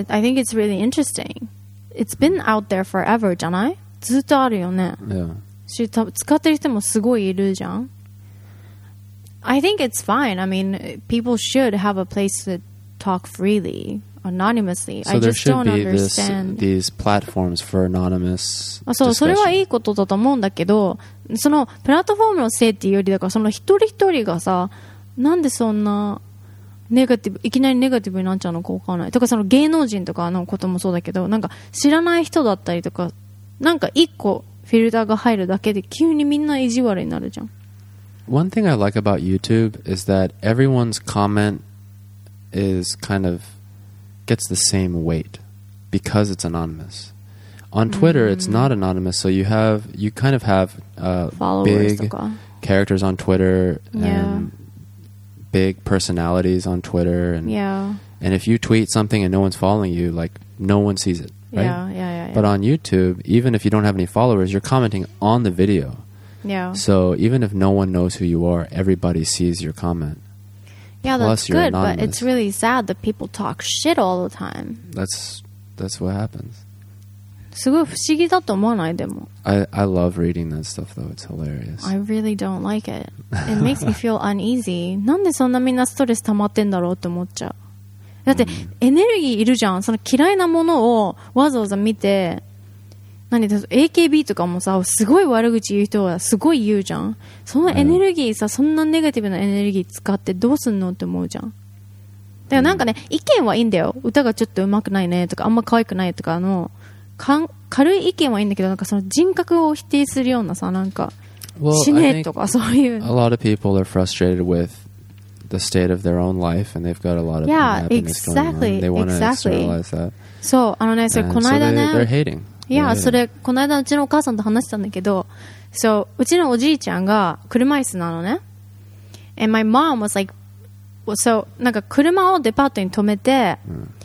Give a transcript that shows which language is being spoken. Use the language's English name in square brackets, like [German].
[English] I think it's really interesting. It's been out there forever, [Japanese] じゃない？ずっとあるよね。 [English] Yeah. [Japanese] 使ってる人もすごいいるじゃん。 [English] I think it's fine. I mean, people should have a place to talk freely, anonymously. So I just don't understand. So there should be these platforms for anonymous discussion. [Japanese] そう、それはいいことだと思うんだけど、そのプラットフォームのせいっていうよりだから、その一人一人がさ、なんでそんなネガティブ、いきなりネガティブになっちゃうのかわからない。とかその芸能人とかのこともそうだけど、なんか知らない人だったりとか、なんか一個フィルターが入るだけで急にみんな意地悪になるじゃん。 [English] One thing I like about YouTube is that everyone's comment is kind of gets the same weight because it's anonymous. On Twitter, mm-hmm. it's not anonymous, so you kind of have followers big [Japanese] とか. [English] Characters on Twitter and yeah. big personalities on Twitter. And, yeah. And if you tweet something and no one's following you, like, no one sees it, right? Yeah. But on YouTube, even if you don't have any followers, you're commenting on the video. Yeah. So even if no one knows who you are, everybody sees your comment. Yeah, plus that's good, anonymous. But it's really sad that people talk shit all the time. That's what happens. [Japanese] すごい不思議だと思わないでも。 [English] I love reading that stuff though. It's hilarious. I really don't like it. It makes me feel uneasy. [Japanese] なんでそんなみんなストレス溜まってんだろうって思っちゃう。だってエネルギーいるじゃん。その嫌いなものをわざわざ見て。何だ、 AKB とかもさ、すごい悪口言う人はすごい言うじゃん。そのエネルギーさ、そんなネガティブなエネルギー使ってどうすんのって思うじゃん。だからなんかね、意見はいいんだよ。歌がちょっと上手くないねとか、あんま可愛くないとか、軽い意見はいいんだけど、なんかその人格を否定するようなさ、なんか死ねとかそういう。 [English] A lot of people are frustrated with the state of their own life and they've got a lot of unhappiness going on. They want to externalize that. [Japanese] そう、あのね、それこの間ね。 [English] So they're hating. [Japanese] いや、それこの間うちのお母さんと話したんだけど、そう、うちのおじいちゃんが車椅子なのね。 [English] And my mom was like, so [Japanese] なんか車をデパートに止めて、 [English] mm.